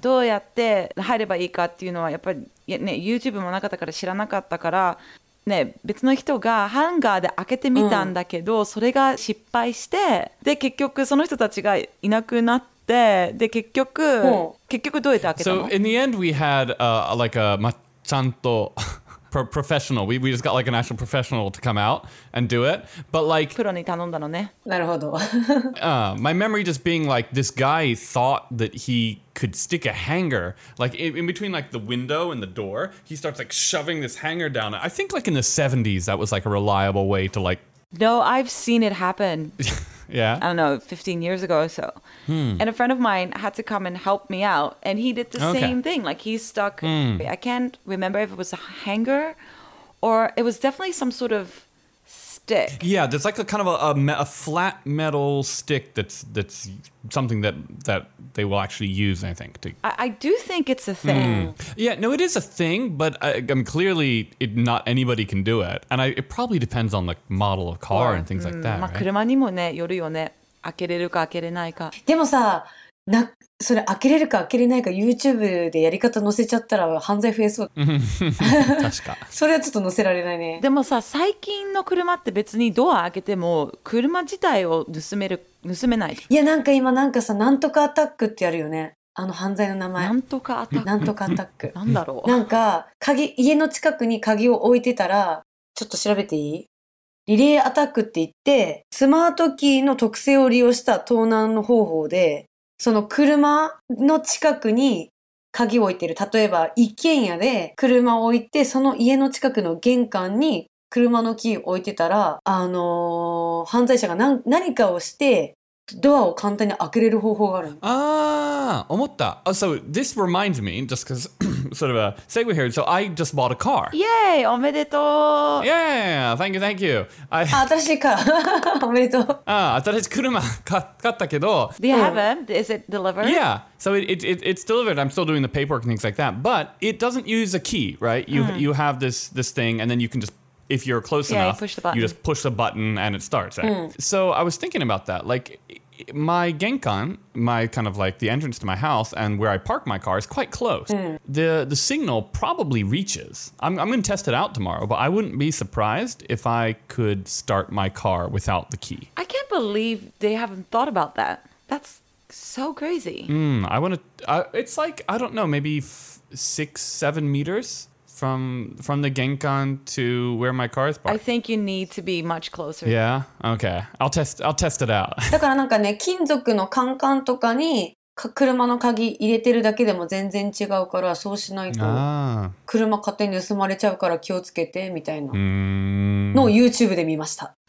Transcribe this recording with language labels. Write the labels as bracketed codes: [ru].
[ja] どうやって入ればいいかっていうのは、やっぱり、ね、YouTube もなかったから知らなかったから、ね、別の人がハンガーで開けてみたんだけど、それが失敗して、で、結局その人たちがいなくなって、で、結局、結局どうやって開けたの？ [en] So, in the end, we had, like, a, ma, [ja] ちゃんと... [en] professional. We just got like an actual professional to come out and do it. But like, [ja] プロに頼んだのね。なるほど。 [en] My memory just being like, this guy thought that he could stick a hanger like in between like the window and the door. He starts like shoving this hanger down. I think like in the 70s, that was like a reliable way to like. No, I've seen it happen. Yeah. I don't know, 15 years ago or so. And a friend of mine had to come and help me out. And he did the same thing. Like, he stuck... I can't remember if it was a hanger or... It was definitely some sort of stick. Yeah, there's like a kind of a flat metal stick that's something that they will actually use, I think. I do think it's a thing. Yeah, no, it is a thing, but I'm clearly it, not anybody can do it. And it probably depends on the model of car and things like that, right? [ja] 車にもね、よるよね。開けれるか開けれないか。でもさ、それ開けれるか開けれないか YouTube でやり方載せちゃったら犯罪増えそう。確か。それはちょっと載せられないね。でもさ、最近の車って別にドア開けても車自体を盗めないいやなんか今なんかさ、なんとかアタックってやるよね。あの犯罪の名前。なんとかアタック。なんとかアタック。なんだろう。なんか、鍵、家の近くに鍵を置いてたら、ちょっと調べていい？リレーアタックって言って、スマートキーの特性を利用した盗難の方法で、その車の近くに鍵を置いてる。例えば、一軒家で車を置いて、その家の近くの玄関に車のキーを置いてたら、犯罪者が 何かをして、ドアを簡単に開けれる方法があるの。ああ、思った。 [en] Oh, so, this reminds me, just because, sort of a segue here, so I just bought a car. [ja] Yay! おめでとう [en] Yeah! Thank you, thank you. [ja] I... 新しいカー。おめでとう。ああ、新しい車買ったけど。 [en] Do you have it? Is it delivered? Yeah. So it's delivered. I'm still doing the paperwork and things like that. But it doesn't use a key, right? You have this thing, and then you can just... If you're close yeah, enough, you just push the button and it starts. Eh? Mm. So I was thinking about that. Like, my genkan, my kind of like the entrance to my house and where I park my car is quite close. Mm. The signal probably reaches. I'm going to test it out tomorrow, but I wouldn't be surprised if I could start my car without the key. I can't believe they haven't thought about that. That's so crazy. I want to... it's like, I don't know, maybe 6-7 meters? From the genkan to where my car is parked. I think you need to be much closer. Yeah? Okay. I'll test it out. [ja] だからなんかね、金属のカンカンとかに車の鍵入れてるだけでも全然違うから、そうしないと車勝手に盗まれちゃうから気をつけてみたいなのを YouTube で見ました。